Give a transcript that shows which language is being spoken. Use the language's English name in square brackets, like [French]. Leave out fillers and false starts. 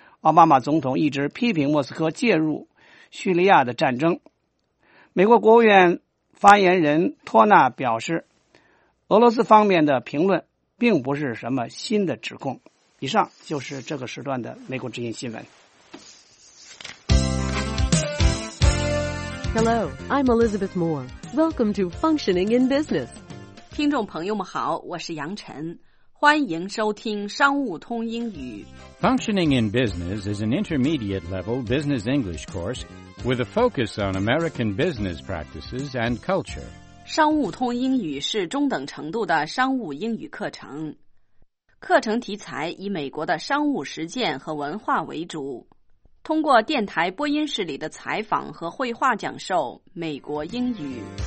[Chinese] 奥巴马总统一直批评莫斯科介入叙利亚的战争。美国国务院发言人托纳表示，俄罗斯方面的评论并不是什么新的指控。以上就是这个时段的美国之音新闻。 [English] Hello, I'm Elizabeth Moore. Welcome to Functioning in Business. [Chinese] 听众朋友们好，我是杨晨，欢迎收听商务通英语。 [English] Functioning in Business is an intermediate level business English course with a focus on American business practices and culture. [Chinese] 商务通英语是中等程度的商务英语课程。课程题材以美国的商务实践和文化为主，通过电台播音室里的采访和绘画讲授美国英语。